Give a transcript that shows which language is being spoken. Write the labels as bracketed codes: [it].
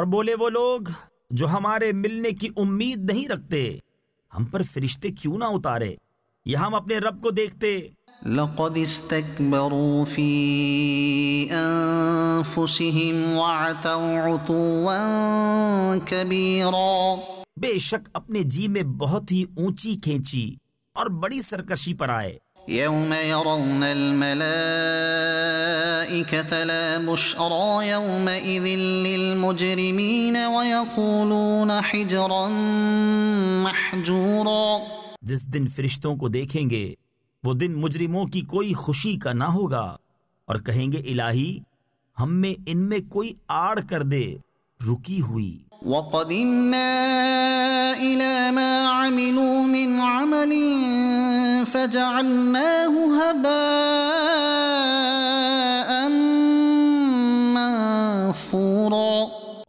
[ur] اور بولے وہ لوگ جو ہمارے ملنے کی امید نہیں رکھتے ہم پر فرشتے کیوں نہ اتارے یا ہم اپنے رب کو دیکھتے [ar] لقد استكبروا في انفسهم وعتوا عتوا كبيرا [ur] بے شک اپنے جی میں بہت ہی اونچی کھینچی اور بڑی سرکشی پر آئے [ar] يوم يرون الملائكة لا بشرى يومئذ للمجرمين ويقولون حجرا محجورا [ur] جس دن فرشتوں کو دیکھیں گے وہ دن مجرموں کی کوئی خوشی کا نہ ہوگا اور کہیں گے الہی ہم میں ان میں کوئی آڑ کر دے رکی ہوئی [ar] وَقَدِمْنَا إِلَى مَا عَمِلُوا مِنْ عَمَلٍ فَجَعَلْنَاهُ هَبَاءً مَنْثُورًا